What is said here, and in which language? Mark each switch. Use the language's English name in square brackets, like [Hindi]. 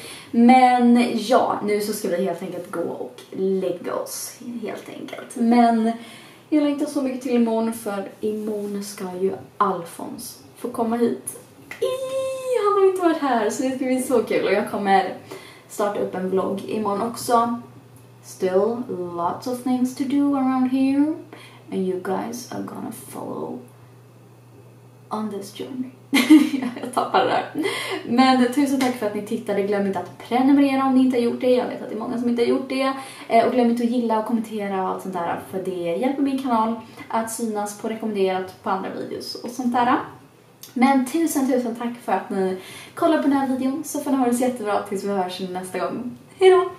[Swedish] Men ja, nu så ska vi helt enkelt gå och lägga oss helt enkelt. Men jag längtar så mycket till imorgon för imorgon ska ju Alfons få komma hit. Han har inte varit här så det ska bli så kul och jag kommer starta upp en vlogg imorgon också. [English] Still lots of things to do around here and you guys are gonna follow on this journey. [Swedish] Jag tappar det där. Men tusen tack för att ni tittade. Glöm inte att prenumerera om ni inte har gjort det. Jag vet att det är många som inte har gjort det. Och glöm inte att gilla och kommentera och allt sånt där. För det hjälper min kanal att synas på rekommenderat på andra videos och sånt där. Men tusen tack för att ni kollar på den här videon. Så får ni ha det så jättebra tills vi hörs nästa gång. Hejdå!